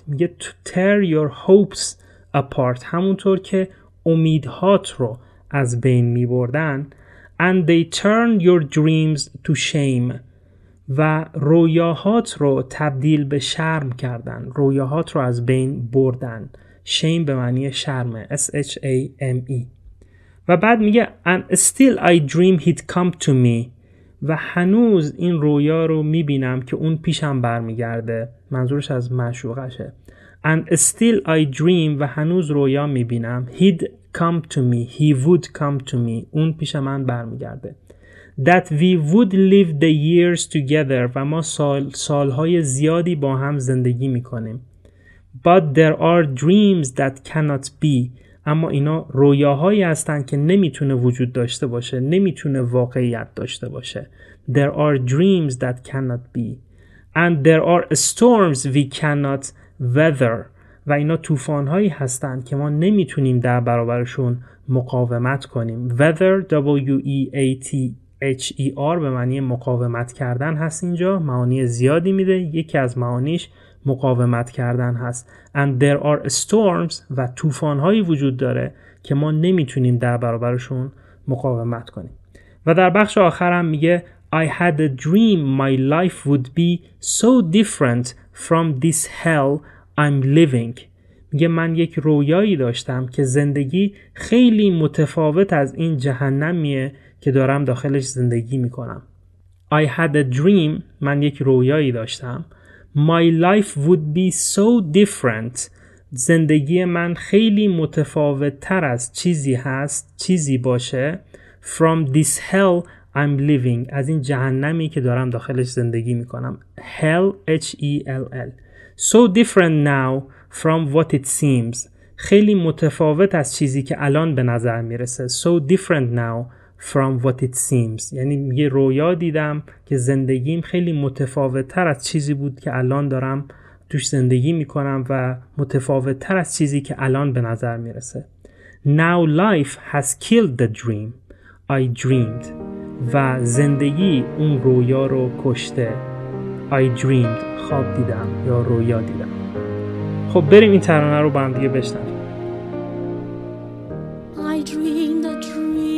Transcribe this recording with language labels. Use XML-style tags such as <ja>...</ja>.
<fa>میگه</fa> <en>tear your hopes apart،</en> <fa>همونطور که امیدهات رو از بین می بردن.</fa> <en>And they turn your dreams to shame،</en> <fa>و رویاهات رو تبدیل به شرم کردن، رویاهات رو از بین بردن. شیم به معنی شرم، S-H-A-M-E. و بعد میگه</fa> <en>And still I dream he'd come to me.</en> <fa>و هنوز این رویا رو میبینم که اون پیشم برمیگرده، منظورش از معشوقشه.</fa> <en>And still I dream،</en> <fa>و هنوز رویا میبینم،</fa> <en>he'd come to me، he would come to me،</en> <fa>اون پیش من برمیگرده.</fa> <en>That we would live the years together،</en> <fa>و ما سالهای زیادی با هم زندگی میکنیم.</fa> <en>But there are dreams that cannot be،</en> <fa>اما اینا رویاهایی هستن که نمیتونه وجود داشته باشه، نمیتونه واقعیت داشته باشه.</fa> <en>There are dreams that cannot be. And there are storms we cannot weather،</en> <fa>و اینا طوفانهایی هستن که ما نمیتونیم در برابرشون مقاومت کنیم. Weather، W-E-A-T-H-E-R به معنی مقاومت کردن هست. اینجا معانی زیادی میده، یکی از معانیش مقاومت کردن هست.</fa> <en>And there are storms،</en> <fa>و طوفان‌هایی وجود داره که ما نمیتونیم در برابرشون مقاومت کنیم. و در بخش آخرم میگه</fa> <en>I had a dream my life would be so different from this hell I'm living.</en> <fa>میگه من یک رویایی داشتم که زندگی خیلی متفاوت از این جهنمیه که دارم داخلش زندگی میکنم.</fa> <en>I had a dream،</en> <fa>من یک رویایی داشتم.</fa> <en>My life would be so different،</en> <fa>زندگی من خیلی متفاوت تر از چیزی هست، چیزی باشه.</fa> <en>From this hell I'm living،</en> <fa>از این جهنمی که دارم داخلش زندگی میکنم.</fa> <en>Hell، H-E-L-L. So different now from what it seems،</en> <fa>خیلی متفاوت از چیزی که الان به نظر میرسه. So different now from what it seems، یعنی یه رویا دیدم که زندگیم خیلی متفاوت تر از چیزی بود که الان دارم توش زندگی میکنم، و متفاوت تر از چیزی که الان به نظر میرسه.</fa> <en>Now life has killed the dream I dreamed،</en> <fa>و زندگی اون رویا رو کشته.</fa> <en>I dreamed،</en> <fa>خواب دیدم یا رویا دیدم. خب بریم این ترانه رو با هم دیگه بشنویم.</fa> <en>I dreamed a dream</en>